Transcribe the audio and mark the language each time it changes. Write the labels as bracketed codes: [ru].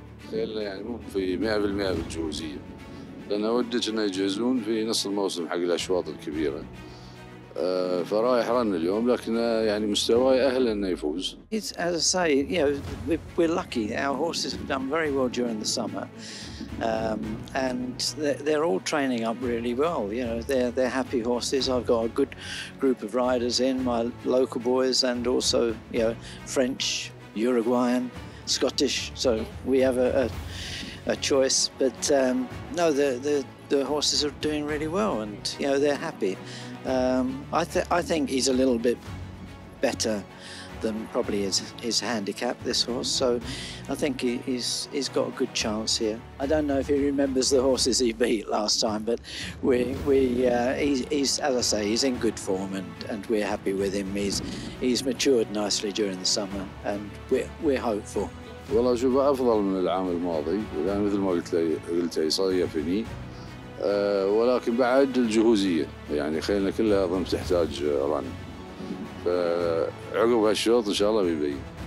[ar] خيلنا يعني مو في 100% بالجهوزية، لأن أودك أن يجهزون في نص الموسم حق الأشواط الكبيرة، فرايح رن اليوم، لكن يعني مستواي أهل أنه يفوز. [en] It's, as I say, you know, we're lucky. Our horses have done very well during the summer, and they're all training up really well. You know, they're happy horses. I've got a good group of riders in my local boys, and also you know French, Uruguayan, Scottish. So we have a choice, but no, the horses are doing really well, and you know they're happy. I think he's a little bit better than probably his handicap, this horse. So I think he's got a good chance here. I don't know if he remembers the horses he beat last time, but he's in good form, and we're happy with him. He's matured nicely during the summer, and we're hopeful. [ar] والله أشوفه أفضل من العام الماضي، لأن مثل ما قلت صاية فيني، ولكن بعد الجهوزية يعني خيلنا كلها أظن تحتاج رن، فعقب هالشوط إن شاء الله بيبين.